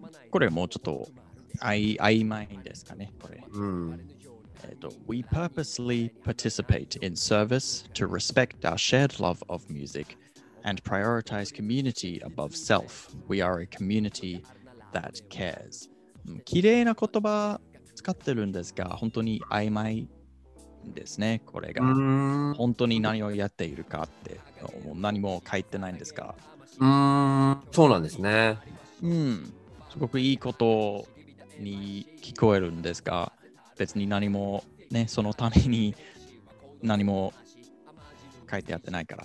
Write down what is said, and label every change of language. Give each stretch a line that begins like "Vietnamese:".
Japanese: これもうちょっと曖昧ですかね。これ。うん。
English: We purposely participate in service to respect our shared love of music and prioritize community above self. We are a community that cares.
Japanese: 綺麗な言葉使ってるんですが、本当に曖昧ですね、これが。本当に何をやっているかって、もう何も書いてないんですが。そうなんですね。すごくいいことに聞こえるんですが、別に何もね、そのために何も書いてやってないから。